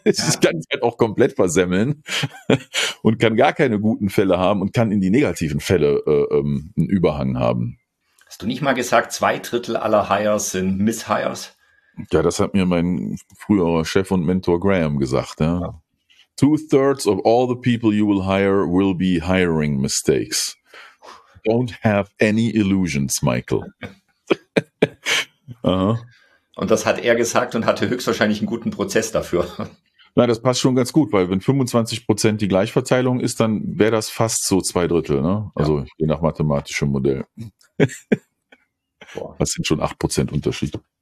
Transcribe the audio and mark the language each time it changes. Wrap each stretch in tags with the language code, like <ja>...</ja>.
<de>Ich kann halt auch komplett versemmeln und kann gar keine guten Fälle haben und kann in die negativen Fälle einen Überhang haben. Hast du nicht mal gesagt, 2/3 aller Hires sind Miss-Hires? Ja, das hat mir mein früherer Chef und Mentor Graham gesagt. Ja. Ja.</de> <en>2/3 of all the people you will hire will be hiring mistakes. Don't have any illusions, Michael. Uh-huh.</en> <de>Und das hat er gesagt und hatte höchstwahrscheinlich einen guten Prozess dafür. Na, das passt schon ganz gut, weil wenn 25% die Gleichverteilung ist, dann wäre das fast so 2/3. Ne? Also je nach mathematischem Modell. Boah. Das sind schon 8% Unterschied.</de>